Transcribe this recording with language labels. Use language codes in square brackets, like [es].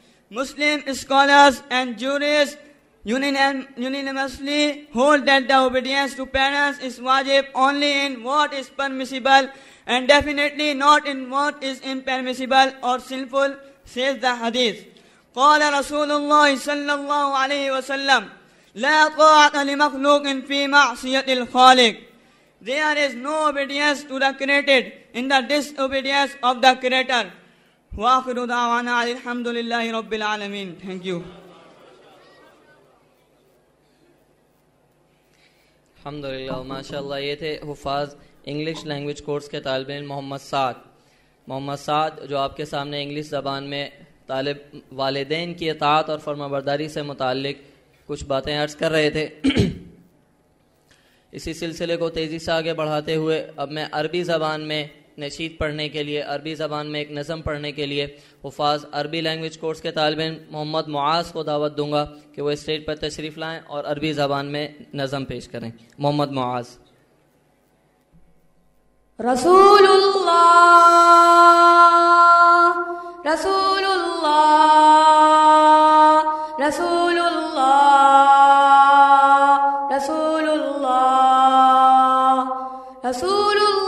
[en] Muslim scholars and jurists unanimously hold that the obedience to parents is wajib only in what is permissible and definitely not in what is impermissible or sinful, says the hadith. [ar] قال رسول الله صلى الله عليه وسلم لا طاعة لمخلوق في معصية الخالق. [en] There is no obedience to the created in the disobedience of the creator. [ar] وآخر دعوانا الحمد لله رب العالمين. [en] Thank you. [ur] الحمدللہ ماشاءاللہ یہ تھے حفاظ انگلش لینگویج کورس کے طالب علم محمد سعد جو آپ کے سامنے انگلش زبان میں طالب والدین کی اطاعت اور فرما برداری سے متعلق کچھ باتیں عرض کر رہے تھے. اسی سلسلے کو تیزی سے آگے بڑھاتے ہوئے اب میں عربی زبان میں نشید پڑھنے کے لیے عربی زبان میں ایک نظم پڑھنے کے لیے حفاظ عربی لینگویج کورس کے طالب علم محمد معاذ کو دعوت دوں گا کہ وہ اسٹیج پر تشریف لائیں اور عربی زبان میں نظم پیش کریں. محمد معاذ. [ar] رسول اللہ رسول اللہ رسول اللہ رسول اللہ رسول